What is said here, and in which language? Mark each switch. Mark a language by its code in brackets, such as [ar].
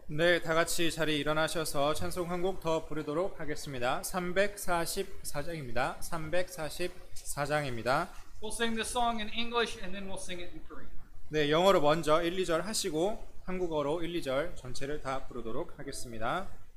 [ko] 네, 다 같이 자리 일어나셔서 찬송 한 곡 더 부르도록 하겠습니다. 344장입니다. 344장입니다. [en] We'll sing this song in English and then we'll sing it in Korean. [ko] 네, 영어로 먼저 1, 2절 하시고 한국어로 1, 2절 전체를 다 부르도록 하겠습니다.